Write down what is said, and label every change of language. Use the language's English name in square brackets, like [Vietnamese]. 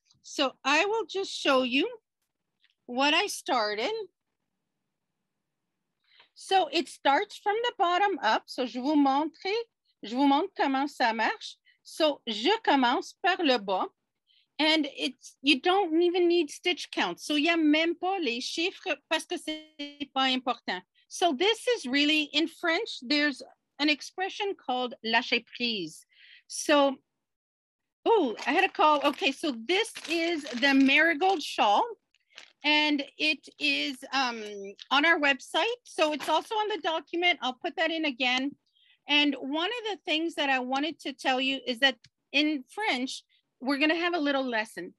[English] So I will just show you what I started. So it starts from the bottom up. So [French] je vous montre comment ça marche. [English] So [French] je commence par le bas, [English] and it's, you don't even need stitch count. [French] So y a même pas les chiffres parce que c'est pas important. [English] So this is really, in French, there's an expression called lâcher prise. So, oh, I had a call. Okay, so this is the marigold shawl, and it is on our website. So it's also on the document. I'll put that in again. And one of the things that I wanted to tell you is that in French, we're going to have a little lesson.